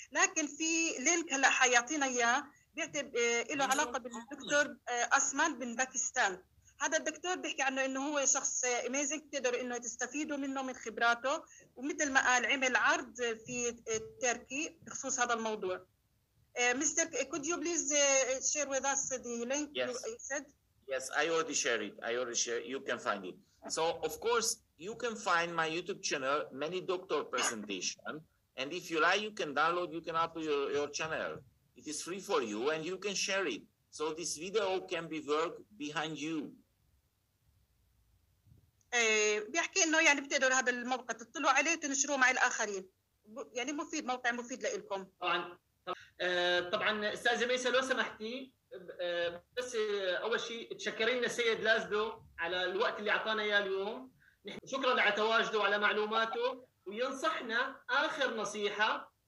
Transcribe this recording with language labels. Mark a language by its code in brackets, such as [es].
[ar] لكن في لينك هلأ حيعطينا إياه بيعتبر له علاقة بالدكتور أسمان من باكستان. هذا الدكتور بيحكي عنه إنه هو شخص amazing، تقدر إنه تستفيدوا منه من خبراته، ومثل ما قال عمل عرض في تركي بخصوص هذا الموضوع. [en] Mr. Could you please share with us the link you said? Yes, I already shared it. You can find it. So, of course, you can find my YouTube channel, Many Doctor Presentation. And if you like, you can download, you can upload your channel. It is free for you and you can share it. So this video can be work behind you. [ar] بيحكي إنه يعني بتقدر هذا الموقع تطلعوا عليه وتنشروه مع الآخرين. يعني مفيد، موقع مفيد لإلكم. طبعا استاذ ميسا لو سمحتي، بس اول شيء تشكرين السيد لازلو على الوقت اللي اعطانا اياه اليوم، شكرا على تواجده وعلى معلوماته، وينصحنا اخر نصيحه.